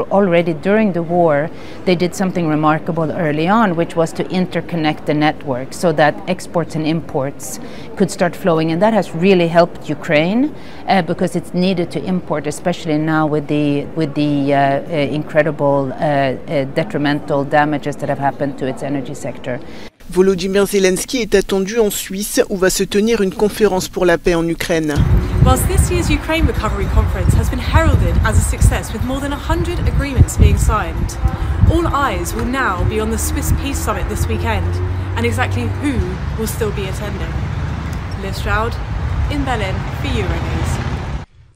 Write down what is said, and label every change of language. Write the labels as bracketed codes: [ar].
[en] Already during the war, they did something remarkable early on, which was to interconnect the network so that exports and imports could start flowing. And that has really helped Ukraine because it's needed to import, especially now with the incredible detrimental damages that have happened to its energy sector. [fr] Volodymyr Zelensky est attendu en Suisse où va se tenir une conférence pour la paix en Ukraine. [en] Whilst this year's Ukraine Recovery Conference has been heralded as a success with more than 100 agreements being signed, all eyes will now be on the Swiss Peace Summit this weekend and exactly who will still be attending. Liz Stroud in Berlin for Euronews.